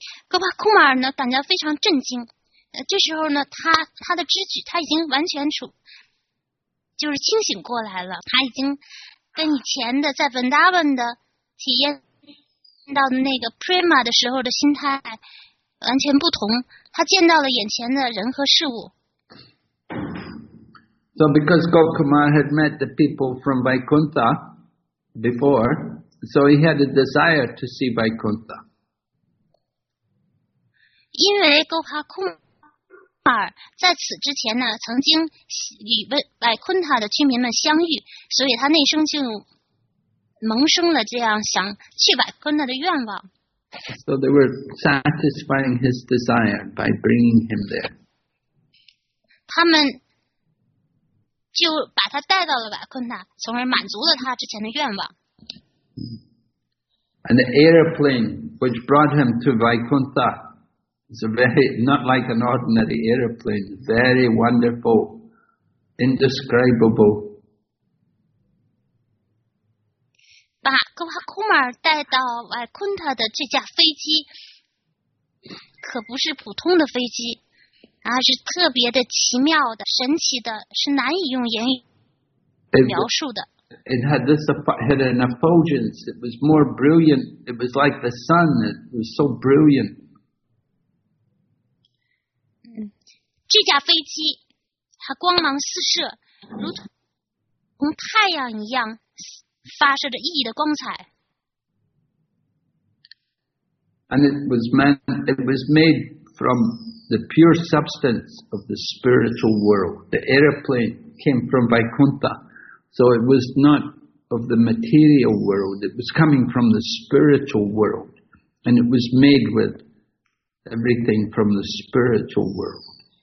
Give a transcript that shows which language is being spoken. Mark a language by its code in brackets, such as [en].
[zh] Gopakumar 呢感觉非常震惊，这时候呢他的知觉他已经完全处就是清醒过来了，他已经跟以前的在 Vrindavan 的体验到那个 prema 的时候的心态完全不同，他见到了眼前的人和事物。 [en] So because Gokumar had met the people from Vaikuntha before, so he had a desire to see Vaikuntha. [zh] 因为戈帕库马尔在此之前呢曾经与百昆塔的居民们相遇，所以他内生就萌生了这样想去百昆塔的愿望。 [en] So they were satisfying his desire by bringing him there. [zh] 他们就把他带到了百昆塔，从而满足了他之前的愿望。 [en] And the airplane which brought him to Vaikuntha, it's a very, not like an ordinary airplane, very wonderful, indescribable. [zh] 把戈帕库马尔带到瓦昆塔的这架飞机可不是普通的飞机，而是特别的奇妙的神奇的，是难以用言语描述的。 [en] It had an effulgence. It was more brilliant. It was like the sun. It was so brilliant. [zh] 这架飞机它光芒四射，如同太阳一样发射着熠熠的光彩。 [en] And it was made from the pure substance of the spiritual world. The airplane came from Vaikuntha. So it was not of the material world. It was coming from the spiritual world. And it was made with everything from the spiritual world.